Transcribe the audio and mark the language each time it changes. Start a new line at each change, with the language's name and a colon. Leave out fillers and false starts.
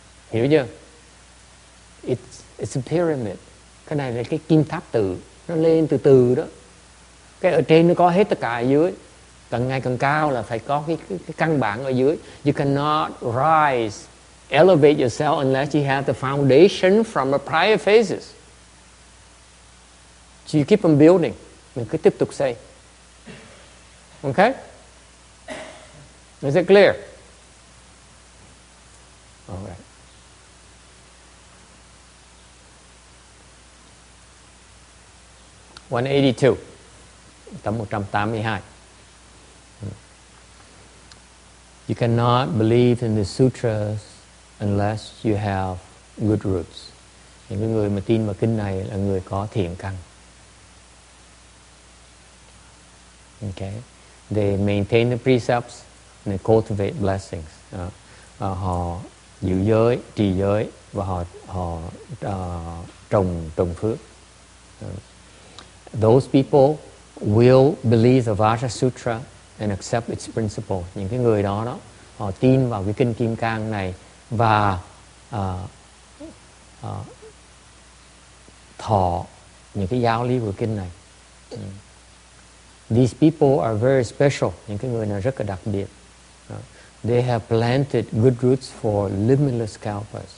Vietnamese: Hiểu chưa?
English: It's a pyramid.
Vietnamese: Cái này là cái kim tháp tự. Nó lên từ từ đó. Cái ở trên nó có hết tất cả ở dưới. Càng ngày càng cao là phải có cái căn bản ở dưới.
English: You cannot rise, elevate yourself unless you have the foundation from the prior phases. So you keep on building.
Vietnamese: Mình cứ tiếp tục xây.
English: Okay? Is it clear? All right.
Vietnamese: 182, tấm 182.
English: You cannot believe in the sutras unless you have good roots.
Vietnamese: Những người mà tin vào kinh này là người có thiện căn.
English: Okay. They maintain the precepts and they cultivate blessings.
Vietnamese: Họ giữ giới, trì giới và họ trồng phước.
English: Those people will believe the Vajra Sutra and accept its principle.
Vietnamese: Những cái người đó họ tin vào cái kinh Kim Cang này và thọ những cái giáo lý của kinh này.
English: These people are very special.
Vietnamese: Những cái người này rất là đặc biệt.
English: They have planted good roots for limitless kalpas.